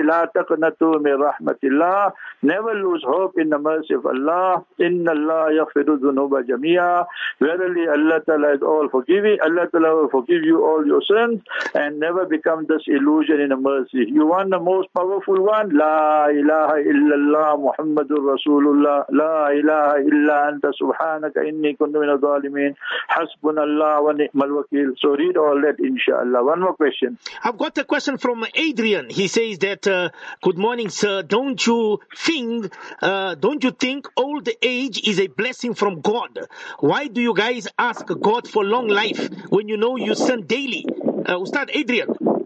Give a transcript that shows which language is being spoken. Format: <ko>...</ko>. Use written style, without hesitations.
<ar>لا تقنطوا من رحمة الله.</ar> <en>Never lose hope in the mercy of Allah.</en> <ar>إِنَّ اللَّهَ يَغْفِرُ ذُنُوبَ جَمِيعًا.</ar> <en>Verily, Allah Ta'ala is all forgiving. Allah Ta'ala will forgive you all your sins and never become disillusioned in the mercy. You want the most powerful one?</en> <ar>لا إله إلا الله محمد الرسول. لا إله إلا أنت سبحانك إني كنت من الظالمين حسبنا الله ونعم الوكيل.</ar> <en>So read all that, inshallah. One more question. I've got a question from Adrian. He says that, good morning, sir. Don't you think old age is a blessing from God? Why do you guys ask God for long life when you know you sin daily? Ustad Adrian.</en>